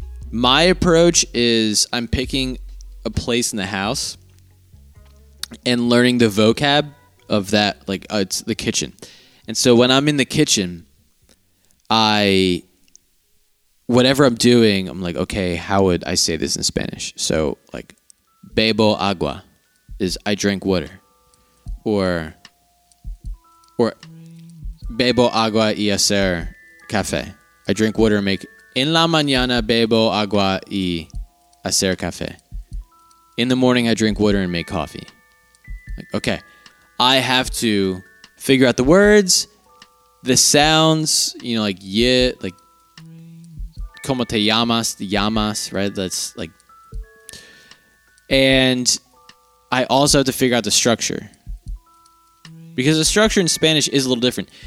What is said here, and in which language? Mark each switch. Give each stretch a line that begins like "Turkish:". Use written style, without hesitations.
English: My approach is I'm picking a place in the house and learning the vocab of that, like, it's the kitchen. And so when I'm in the kitchen, whatever I'm doing, I'm like, okay, how would I say this in Spanish? So, like,
Spanish: bebo agua
English: is I drink water. Or
Spanish: bebo agua y hacer café.
English: I drink water and make...
Spanish: En la mañana bebo agua y hacer café.
English: In the morning, I drink water and make coffee. Like, okay, I have to figure out the words, the sounds, you know, like, yeah, like,
Spanish: como te llamas,
English: the llamas, right? That's like, and I also have to figure out the structure, because the structure in Spanish is a little different.